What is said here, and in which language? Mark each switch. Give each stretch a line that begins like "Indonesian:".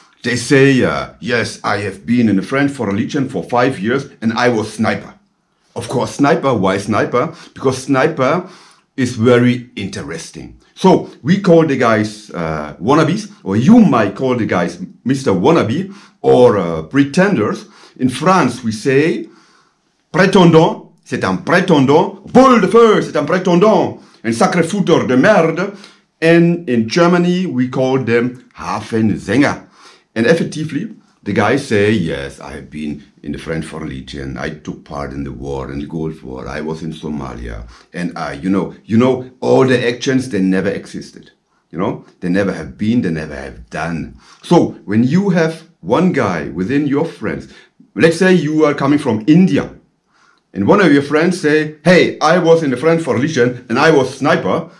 English: They say, yes, I have been in the French Foreign Legion for 5 years and I was sniper. Of course, sniper. Why sniper? Because sniper is very interesting. So we call the guys wannabes, or you might call the guys Mr. Wannabe or pretenders. In France, we say prétendant, c'est un prétendant.
French: Boule de feu, c'est un prétendant. Un sacré fouteur de merde.
English: And in Germany, we call them Hafensänger. And effectively, the guys say, yes, I have been in the French Foreign Legion. I took part in the war, in the Gulf War. I was in Somalia. And I, all the actions, they never existed. You know, they never have been, they never have done. So when you have one guy within your friends, let's say you are coming from India, and one of your friends say, hey, I was in the French Foreign Legion and I was sniper.